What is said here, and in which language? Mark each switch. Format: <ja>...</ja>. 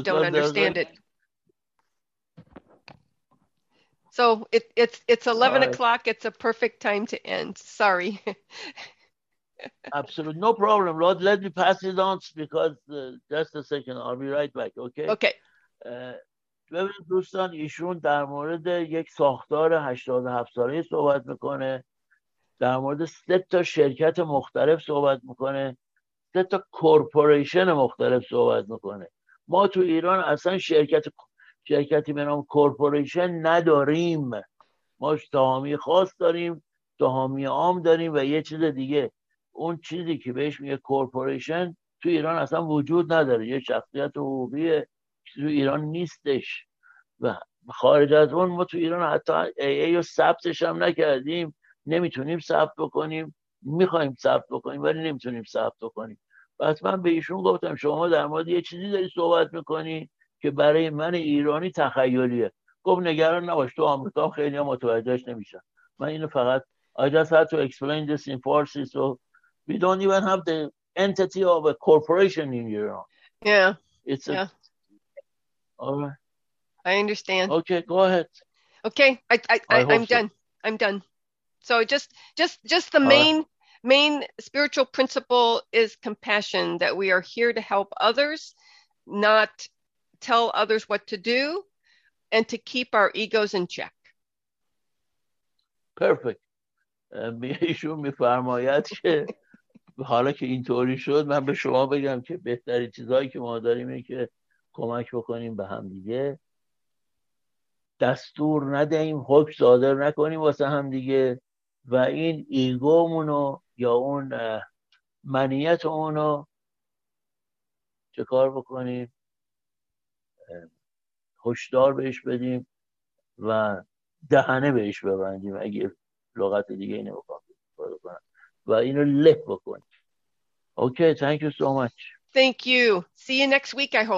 <en>don't understand it. So it's 11 right. o'clock. It's a perfect time to end. Sorry. Absolutely. No problem, Rod. Let me pass it on because just a second. I'll be right back. Okay. Okay.</en> <fa>ببینید دوستان ایشون در مورد یک ساختار 87 ساله صحبت میکنه، در مورد 3 شرکت مختلف صحبت میکنه، 3 کورپوریشن مختلف صحبت میکنه. ما تو ایران اصلا شرکتی به نام کورپوریشن نداریم. ما سهامی خاص داریم، سهامی عام داریم و یه چیز دیگه. اون چیزی که بهش میگه کورپوریشن تو ایران اصلا وجود نداره، یه شخصیت حقوقیه تو ایران نیستش و خارج از اون ما تو ایران حتی ای رو ثبتش هم نکردیم، نمیتونیم ثبت بکنیم، میخوایم ثبت بکنیم ولی نمیتونیم ثبت بکنیم. پس من به ایشون گفتم شما در مورد یه چیزی داری صحبت میکنی که برای من ایرانی تخیلیه. گفت نگران نباش، تو آمریکا خیلی هم متوجهش نمیشن. من اینو فقط</fa> <en>I just had to explain this in Farsi, so we don't even have the entity of a corporation in Iran. All right. I understand. Okay, go ahead. Okay, I'm done. I'm done. So just the main spiritual principle is compassion, that we are here to help others, not tell others what to do, and to keep our egos in check. Perfect.</en> <fa>ایشون میفرماید که حالا که اینطوری شد من به شما بگم که بهترین چیزایی که ما داریم اینه که کمک بکنیم به هم دیگه، دستور ندهیم، حکم صادر نکنیم واسه هم دیگه و این ایگومونو یا اون منیت اونو چه کار بکنیم، هشدار بهش بدیم و دهنه بهش ببندیم اگه لغت دیگه اینو بکنیم و اینو لپ بکنیم. اوکی،</fa> <en>Thank you so much. Thank you. See you next week, I hope.</en>